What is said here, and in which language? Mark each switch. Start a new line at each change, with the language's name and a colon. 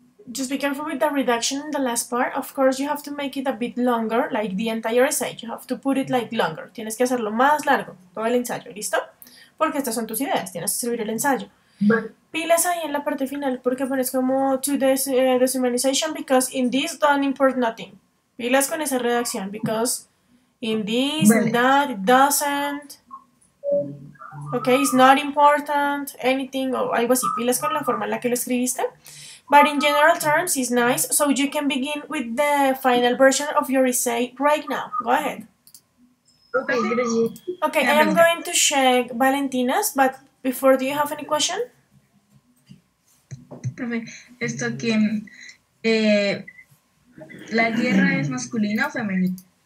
English: Just be careful with the reduction in the last part. Of course, you have to make it a bit longer, like the entire essay. You have to put it like longer.
Spanish: Tienes que hacerlo más largo, todo el ensayo, ¿listo? Porque estas son tus ideas, tienes que escribir el ensayo.
English: Bye.
Spanish: Pilas ahí en la parte final, porque pones como
English: to deshumanization, because in this don't import nothing.
Spanish: Pilas con esa redacción,
English: because in this,
Spanish: vale.
English: That, it doesn't. Okay, it's not important, anything,
Spanish: o algo así. Pilas con la forma en la que lo escribiste.
English: But in general terms, it's nice, so you can begin with the final version of your essay right now. Go ahead.
Spanish: Okay, gracias.
English: Okay, I am going to check Valentina's, but before, do you have any question?
Spanish: Profe, esto que... ¿la guerra es masculina o femenina?